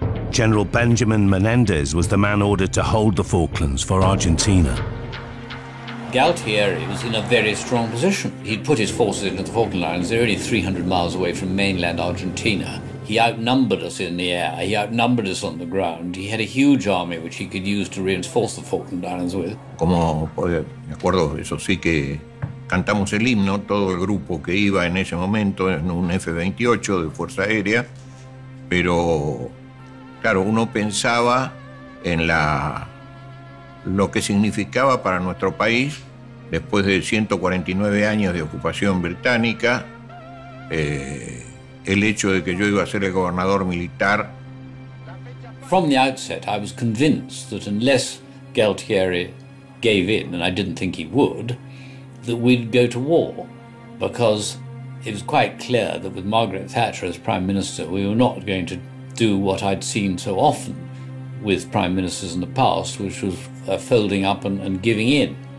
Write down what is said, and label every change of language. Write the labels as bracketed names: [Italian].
[English] General Benjamin Menendez was the man ordered to hold the Falklands for Argentina. Galtieri was in a very strong position. He'd put his forces into the Falkland Islands. They're only 300 miles away from mainland Argentina. He outnumbered us in the air. He outnumbered us on the ground. He had a huge army which he could use to reinforce the Falkland Islands with. [Spanish] Como, me acuerdo, eso sí que cantamos el himno, todo el grupo que iba en ese momento en un F-28 de Fuerza Aérea. Pero, claro, uno pensaba en la... lo que significaba para nuestro país, después de 149 años de ocupación británica, el hecho de que yo iba a ser el gobernador militar. [English] From the outset, I was convinced that unless Galtieri gave in, and I didn't think he would, that we'd go to war, because it was quite clear that with Margaret Thatcher as Prime Minister, we were not going to do what I'd seen so often with Prime Ministers in the past, which was folding up and giving in.